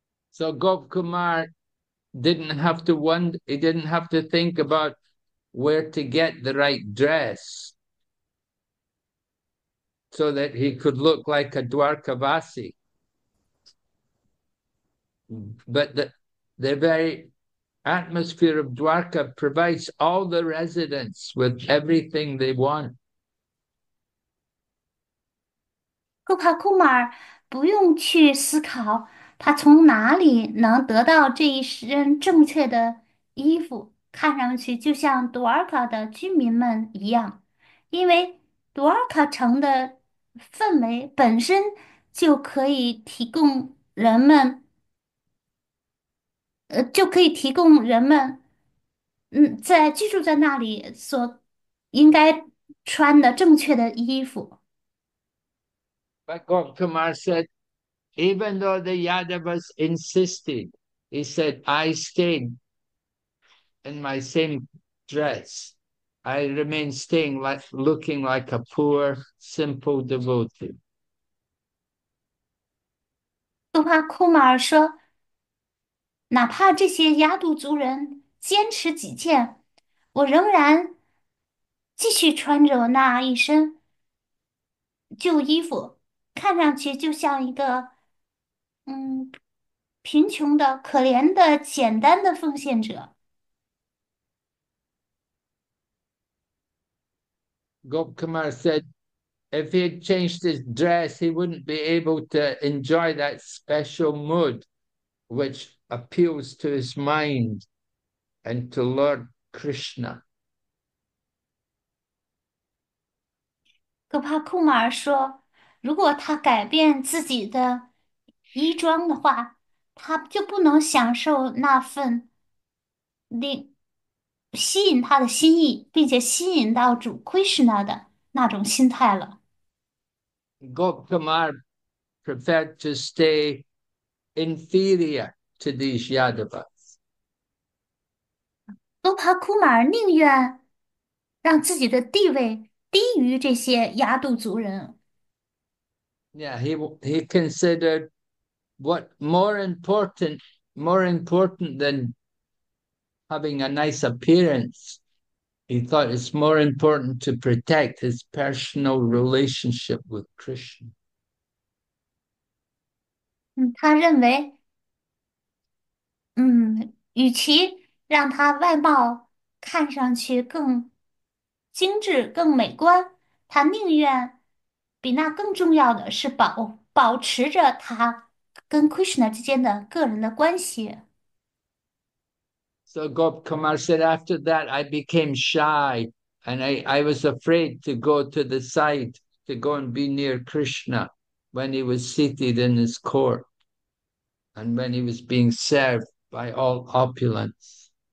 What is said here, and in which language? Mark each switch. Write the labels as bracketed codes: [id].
[en] So Gop Kumar didn't have to wonder, he didn't have to think about where to get the right dress so that he could look like a Dwarkavasi. But the very atmosphere of Dwarka provides all the residents with everything they want. [zh] 库帕库马尔不用去思考，他从哪里能得到这一身正确的衣服，看上去就像杜尔卡的居民们一样，因为杜尔卡城的氛围本身就可以提供人们，就可以提供人们，在居住在那里所应该穿的正确的衣服。 [en] But Gop Kumar said, even though the Yadavas insisted, he said, I stayed in my same dress. I remained staying like looking like a poor, simple devotee. [zh] 杜帕库马尔说：“哪怕这些雅杜族人坚持己见，我仍然继续穿着那一身旧衣服，看上去就像一个贫穷的、可怜的、简单的奉献者。” [en] Gop Kumar said if he had changed his dress, he wouldn't be able to enjoy that special mood which appeals to his mind and to Lord Krishna. [zh] 格帕库马尔说：“如果他改变自己的衣装的话，他就不能享受那份令吸引他的心意，并且吸引到主 Krishna 的那种心态了。” [en] Gop Kumar preferred to stay inferior to these Yadavas. [zh] 格帕库马尔宁愿让自己的地位低于这些雅杜族人。 [en] Yeah, he considered what more important than having a nice appearance. He thought it's more important to protect his personal relationship with Krishna. [zh] 他认为，与其让他外貌看上去更精致更美观，他宁愿比那更重要的是保持着他跟 Krishna 之间的个人的关系。 [en] So Gop Kumar said, after that, I became shy and I was afraid to go to the side to go and be near Krishna when he was seated in his court and when he was being served by all opulence.